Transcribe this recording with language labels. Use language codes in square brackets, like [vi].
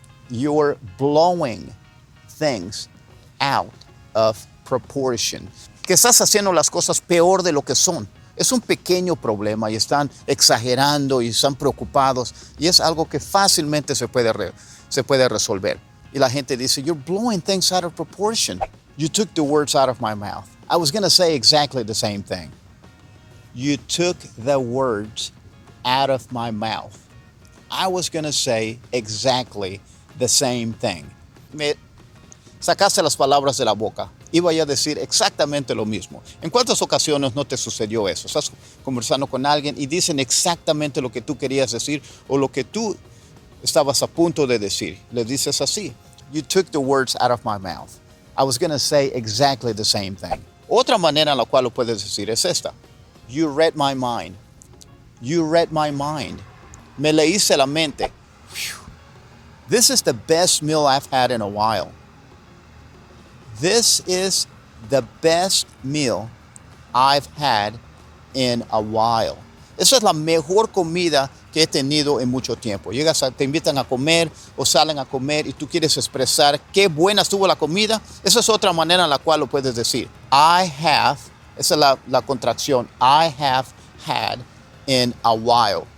[en] You're blowing things out of proportion. [es] Que estás haciendo las cosas peor de lo que son. Es un pequeño problema y están exagerando y están preocupados. Y es algo que fácilmente se puede resolver. Y la gente dice, [en] you're blowing things out of proportion. You took the words out of my mouth. I was going to say exactly the same thing. You took the words out of my mouth. I was gonna say exactly the same thing. [es] Me sacaste las palabras de la boca. Iba a decir exactamente lo mismo. ¿En cuántas ocasiones no te sucedió eso? Estás conversando con alguien y dicen exactamente lo que tú querías decir o lo que tú estabas a punto de decir. Le dices así. [en] You took the words out of my mouth. I was gonna say exactly the same thing. [es] Otra manera en la cual lo puedes decir es esta. [en] You read my mind. You read my mind. [es] Me leíste la mente. Whew. [en] This is the best meal I've had in a while. This is the best meal I've had in a while. [es] Esa es la mejor comida que he tenido en mucho tiempo. Llegas, te invitan a comer o salen a comer y tú quieres expresar qué buena estuvo la comida. Esa es otra manera en la cual lo puedes decir. [en] I have, [es] esa es la contracción, [en] I have had in a while.